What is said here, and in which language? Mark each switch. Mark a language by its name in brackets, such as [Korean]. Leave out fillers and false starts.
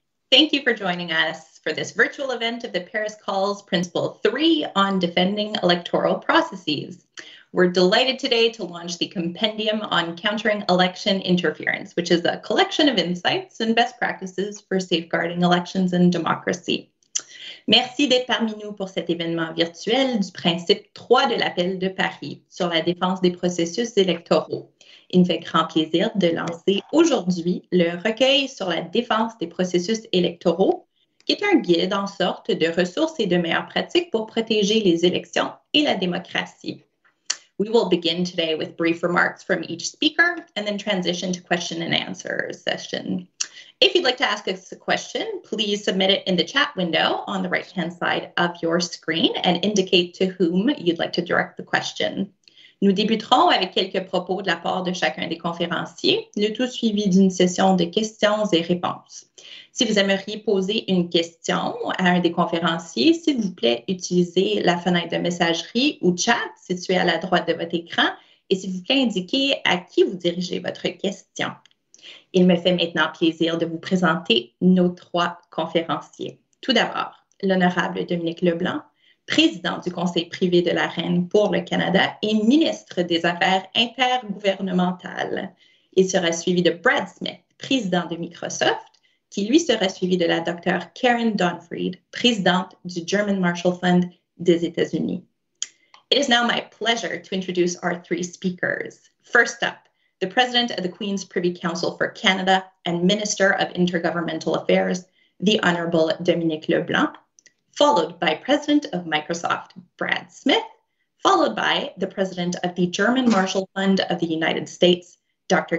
[English] Thank you for joining us for this virtual event of the Paris Calls Principle 3 on Defending Electoral Processes. We're delighted today to launch the Compendium on Countering Election Interference, which is a collection of insights and best practices for safeguarding elections and democracy. [French] Merci d'être parmi nous pour cet événement virtuel du principe 3 de l'appel de Paris sur la défense des processus électoraux. Il me fait grand plaisir de lancer aujourd'hui le recueil sur la défense des processus électoraux, qui est un guide en sorte de ressources et de meilleures pratiques pour protéger les élections et la démocratie. [English] We will begin today with brief remarks from each speaker and then transition to question and answer session. If you'd like to ask us a question, please submit it in the chat window on the right-hand side of your screen and indicate to whom you'd like to direct the question. [French] Nous débuterons avec quelques propos de la part de chacun des conférenciers, le tout suivi d'une session de questions et réponses. Si vous aimeriez poser une question à un des conférenciers, s'il vous plaît, utilisez la fenêtre de messagerie ou chat située à la droite de votre écran et s'il vous plaît, indiquez à qui vous dirigez votre question. Il me fait maintenant plaisir de vous présenter nos trois conférenciers. Tout d'abord, l'honorable Dominic LeBlanc, président du Conseil privé de la Reine pour le Canada et ministre des Affaires intergouvernementales. Il sera suivi de Brad Smith, président de Microsoft, qui lui sera suivi de la docteure Karen Donfried, présidente du German Marshall Fund des États-Unis. [English] It is now my pleasure to introduce our three speakers. First up, the President of the Queen's Privy Council for Canada and Minister of Intergovernmental Affairs, the Honorable Dominic LeBlanc, followed by President of Microsoft, Brad Smith, followed by the President of the German Marshall Fund of the United States, Dr.